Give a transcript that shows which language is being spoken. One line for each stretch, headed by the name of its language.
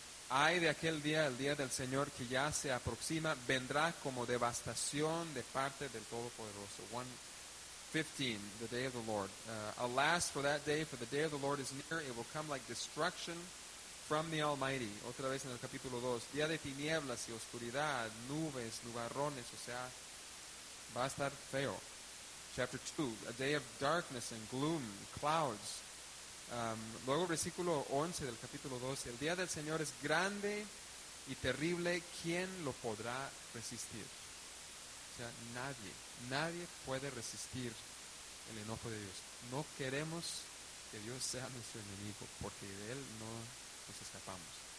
Spanish: Ay de aquel día, el día del Señor que ya se aproxima, vendrá como devastación de parte del Todopoderoso.
English: 1:15, the day of the Lord. Alas for that day, for the day of the Lord is near. It will come like destruction from the Almighty.
Spanish: Otra vez en el capítulo 2. Día de tinieblas y oscuridad, nubes, nubarrones. O sea, va a estar feo.
English: Chapter 2, a day of darkness and gloom, clouds.
Spanish: Luego versículo 11 del capítulo 2. El día del Señor es grande y terrible. ¿Quién lo podrá resistir? O sea, nadie puede resistir el enojo de Dios. No queremos que Dios sea nuestro enemigo, porque de él no nos escapamos.